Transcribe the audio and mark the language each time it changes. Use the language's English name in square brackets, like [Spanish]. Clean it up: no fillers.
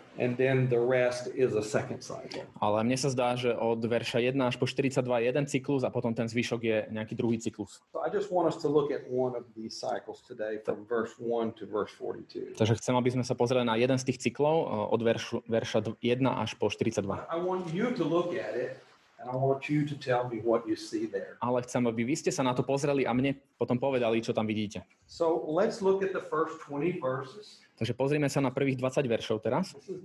[English] And then the rest is a second cycle. [Slovak] Ale mne sa zdá, že od verša 1 až po 42 je jeden cyklus a potom ten zvyšok je nejaký druhý cyklus. [English] So I just want us to look at one of these cycles today from verse 1 to verse 42. [Slovak] Takže chcem, aby sme sa pozreli na jeden z tých cyklov od verša 1 až po 42. [English] I want you to look at it and I want you to tell me what you see there. [Slovak] Ale chcem, aby vy ste sa na to pozreli a mne potom povedali, čo tam vidíte. [English] So let's look at the first 20 verses. [Slovak] Takže pozrieme sa na prvých 20 veršov teraz.